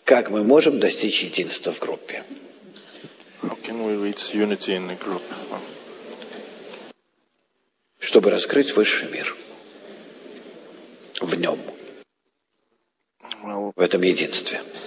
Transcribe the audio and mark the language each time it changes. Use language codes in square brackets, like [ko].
[ru] мы можем достичь единства в группе? [en] How can we reach unity in a group? [ru] Чтобы раскрыть высший мир в нем, в этом единстве.